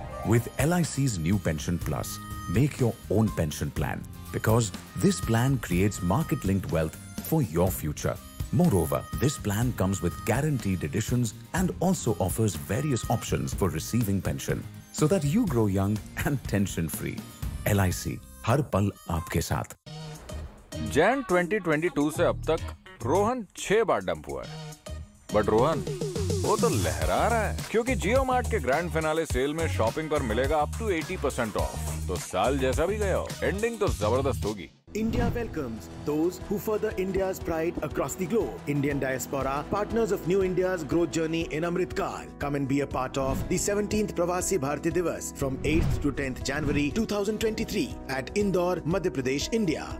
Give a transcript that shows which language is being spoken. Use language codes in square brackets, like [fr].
[en] With LIC's new Pension Plus, make your own pension plan, because this plan creates market-linked wealth for your future. Moreover, this plan comes with guaranteed additions and also offers various options for receiving pension, so that you grow young and tension-free. [hi] LIC, har pal aapke saath. Jan 2022 se ab tak Rohan 6 bar dump हुआ है, [en] but Rohan वो तो लहरा रहा है, [hi] क्योंकि जियो mart के grand finale cell में शॉपिंग पर मिलेगा अप टू 80% ऑफ, तो साल जैसा भी गया हो, एंडिंग तो जबरदस्त होगी. [en] India welcomes those who further India's pride across the globe. Indian Diaspora, partners of New India's growth journey in Amritkaal. Come and be a part of the 17th Pravasi Bharati Divas from 8th to 10th January 2023 at Indore, Madhya Pradesh, India.